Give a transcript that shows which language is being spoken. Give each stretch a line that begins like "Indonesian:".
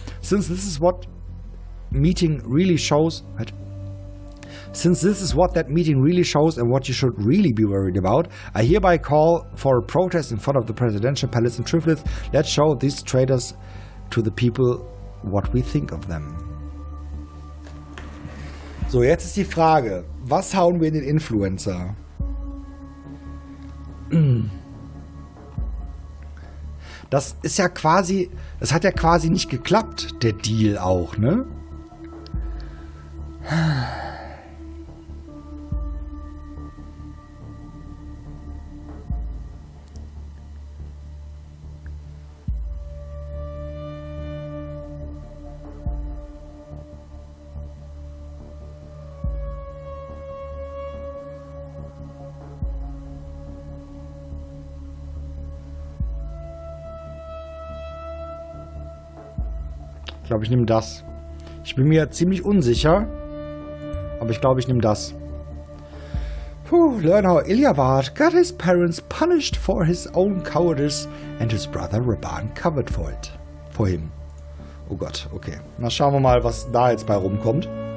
English: Since this is what meeting really shows... Since this is what that meeting really shows and what you should really be worried about, I hereby call for a protest in front of the presidential palace in Triflis. Let's show these traitors to the people what we think of them.
German: So, jetzt ist die Frage, was hauen wir in den Influencer? Das ist ja quasi, das hat ja quasi nicht geklappt, der Deal auch, ne? Ich glaube, ich nehme das. Ich bin mir ziemlich unsicher. Aber ich glaube, ich nehme das.
English: Puh, learn how Ilya Vard got his parents punished for his own cowardice and his brother Raban covered for it. For him. Oh Gott, okay.
German: Na, schauen wir mal, was da jetzt bei rumkommt.